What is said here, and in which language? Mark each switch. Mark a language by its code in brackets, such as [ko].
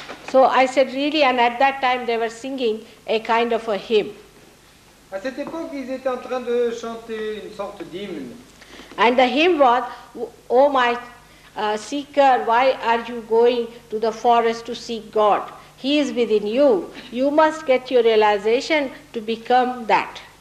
[en] So I said, really, and at that time they were singing a kind of a hymn. [fr] À cette époque, ils étaient en train de chanter une sorte d'hymne. [en] And the hymn was, oh my seeker, why are you going to the forest to seek God? He is within you. You must get your realization to become that.